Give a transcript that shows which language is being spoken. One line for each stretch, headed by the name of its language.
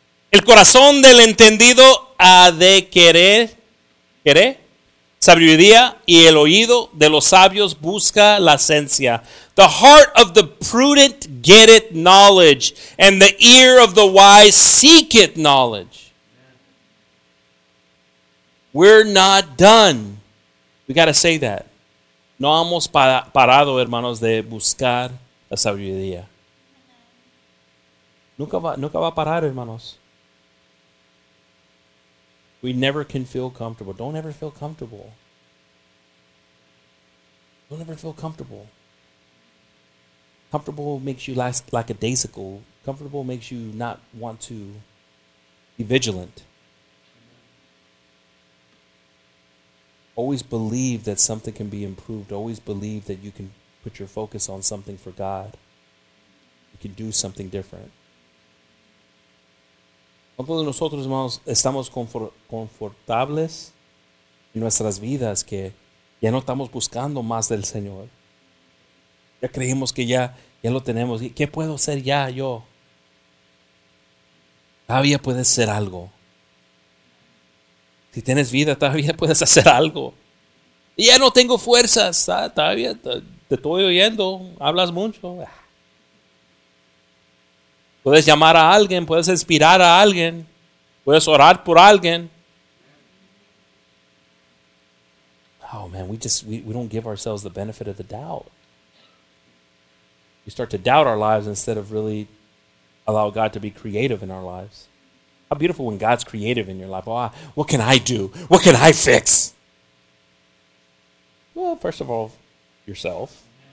Spanish: El corazón del entendido ha de querer sabiduría, y el oído de los sabios busca la ciencia.
English: The heart of the prudent getteth knowledge, and the ear of the wise seeketh knowledge. We're not done. We got to say that.
Spanish: No hemos parado, hermanos, de buscar la sabiduría. Nunca va a parar, hermanos.
English: We never can feel comfortable. Don't ever feel comfortable. Don't ever feel comfortable. Comfortable makes you last lackadaisical. Comfortable makes you not want to be vigilant. Always believe that something can be improved. Always believe that you can put your focus on something for God. You can do something different.
Spanish: ¿Cuántos de nosotros, hermanos, estamos confortables en nuestras vidas que ya no estamos buscando más del Señor? Ya creemos que ya lo tenemos. ¿Qué puedo hacer ya yo? Todavía puedes hacer algo. Si tienes vida, todavía puedes hacer algo. Ya no tengo fuerzas. Todavía te estoy oyendo. Hablas mucho. Puedes llamar a alguien, puedes inspirar a alguien, puedes orar por alguien.
English: Oh man, we don't give ourselves the benefit of the doubt. We start to doubt our lives instead of really allow God to be creative in our lives. How beautiful when God's creative in your life. Oh, what can I do? What can I fix? Well, first of all, yourself.